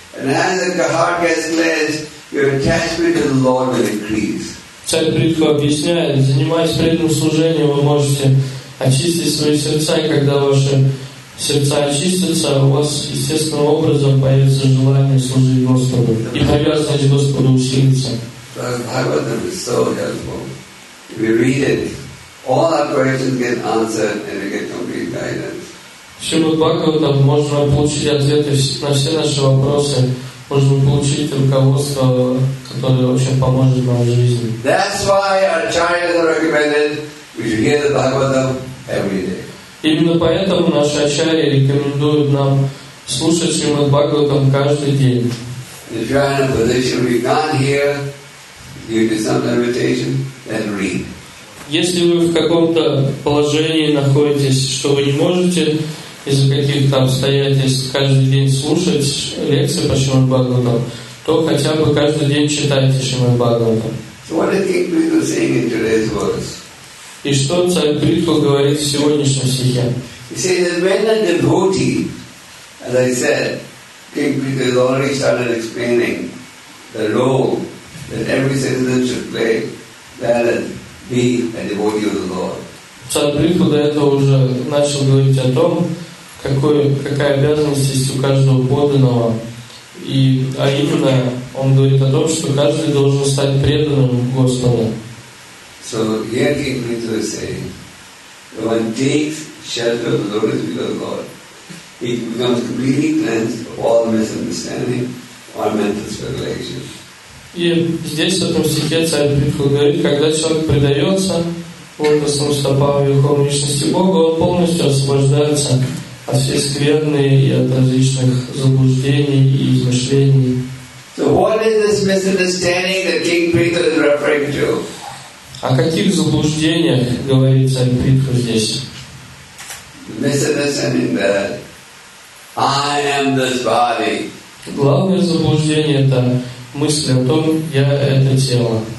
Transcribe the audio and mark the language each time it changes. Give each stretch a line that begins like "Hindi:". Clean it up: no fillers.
English: And as the heart gets cleansed, your attachment to the Lord will increase.
Russian: Царь Притху объясняет, занимаясь преданным служением, вы можете очистить свои сердца, и когда ваши сердца очистятся, у вас естественным образом появится желание служить Господу, и привязанность к Господу усилится.
English: Bhagavatam is so helpful. We read it. All our questions get answered and we get complete guidance.
Russian: Чтобы Бхагаватам можно получить ответы на все наши вопросы, можно получить руководство, которое вообще поможет нам в жизни.
English: That's why our acharyas have recommended we should hear the Bhagavatam every day.
Russian: Именно поэтому наши ачарьи рекомендуют нам слушать Шримад Бхагаватам каждый день.
English: If you're in a position where you can't hear due to some limitation, then read.
Russian: Если вы в каком-то положении находитесь, что вы не можете из-за каких-то обстоятельств каждый день слушать лекции по Шримад Бхагаватам, то хотя бы каждый день читайте Шримад Бхагаватам.
English: So
Russian: и что царь Притху говорит в сегодняшнем стихе?
English: He says that when a devotee, as I said, King Prithu has already started explaining the role that every citizen should play, that is, be a devotee of the Lord.
Russian: Царь Притху до этого уже начал говорить о том, какая обязанность есть у каждого подданного. И, а именно, он говорит о том, что каждый должен стать преданным Господу.
English: So here King Prithu is saying, when one takes shelter of the lotus feet of God, he becomes completely cleansed of all misunderstanding, all mental speculation.
Russian: И здесь, в этом стихе, царь Притху говорит, когда человек предается лотосным стопам Верховной Личности Бога, он полностью освобождается от всей скверны и от различных заблуждений и измышлений.
English: So what is this misunderstanding that King Prithu is referring to?
Russian: О каких заблуждениях говорит царь Притху здесь?
English: The misunderstanding that I am this body.
Russian: Главное заблуждение — это мысль о том, я — это тело.